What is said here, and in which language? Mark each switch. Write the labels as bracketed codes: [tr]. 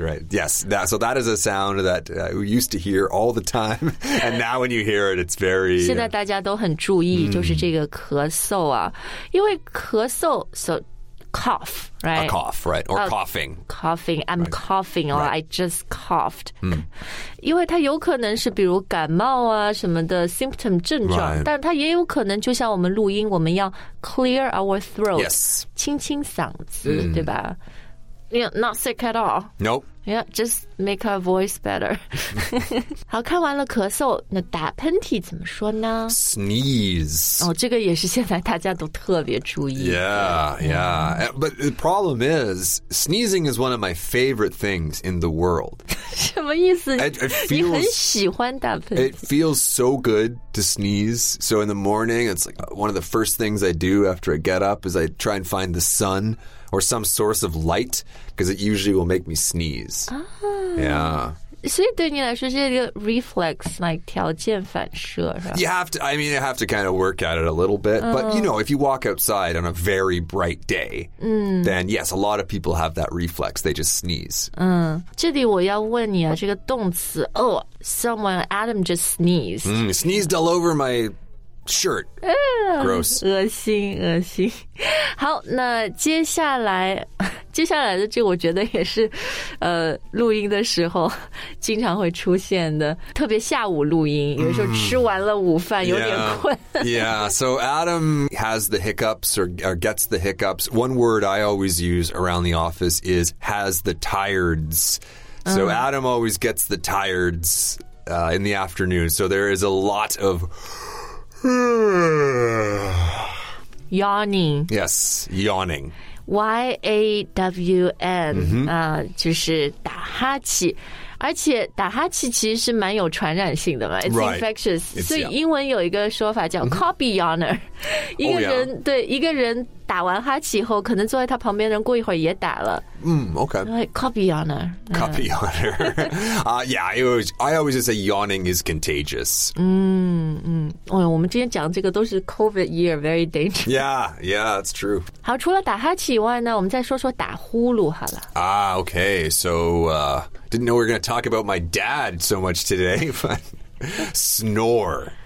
[en] Yes, so that is a sound that we used to hear all the time, and now when you hear it, it's very. [zh] 现在大家都很注意，就是这个咳嗽啊，因为咳嗽 so. [en] Cough, right? A cough, right? Or coughing. Coughing. I'm right. coughing, or、right. I just coughed. [zh] 因为它有可能是比如感冒啊什么的 [en] symptom 症状、 right. [zh] 但它也有可能就像我们录音我们要 [en] clear our throat. Yes. [zh] 清清嗓子、对吧 [en] You're not sick at all. Nope. Yeah, just make our voice better. [zh] 好，看完了咳嗽，那打喷嚏怎么说呢？ [en] Sneeze. [zh] 哦，这个也是现在大家都特别注意。 [en] Yeah. But the problem is, sneezing is one of my favorite things in the world. [zh] 什么意思？ [en] It feels, [zh] 你很喜欢打喷嚏。 [en] It feels so good to sneeze. So in the morning, it's like one of the first things I do after I get up is I try and find the sun. Or some source of light, because it usually will make me sneeze. Ah, yeah. [zh] 所以对你来说是一个 reflex, like 条件反射是吧 [en] You have to, I mean, you have to kind of work at it a little bit.、But, you know, if you walk outside on a very bright day,、then yes, a lot of people have that reflex. They just sneeze. [zh] 这里我要问你啊，这个动词 [en] oh, someone, Adam just sneezed.、 Sneezed all over my... Shirt. Gross. [zh] 恶心恶心。好那接下来的这个我觉得也是录音的时候经常会出现的。特别下午录音有时候吃完了午饭有点困。 [en] Yeah, so Adam has the hiccups or gets the hiccups. One word I always use around the office is has the tireds. So Adam always gets the tireds in the afternoon. So there is a lot of... Yawning. Yes, yawning. [zh] Y-A-W-N,、就是打哈欠。而且打哈欠其实是蛮有传染性的嘛 It's [en] right, infectious. It's, [zh] 所以英文有一个说法叫 copy yawner.、一个人、 [en] oh, yeah. [zh] 对一个人打完哈欠以后可能坐在他旁边的人过一会儿也打了。 [en] Okay. Like, copy yawner. Copy yawner. 、yeah, I always just say yawning is contagious. [zh] 我们之前讲这个都是 [en] COVID year, very dangerous. Yeah, that's true. [zh] 好除了打哈欠以外呢我们再说说打呼噜好了。 [en] Okay, so... Didn't know we were going to talk about my dad so much today, but snore.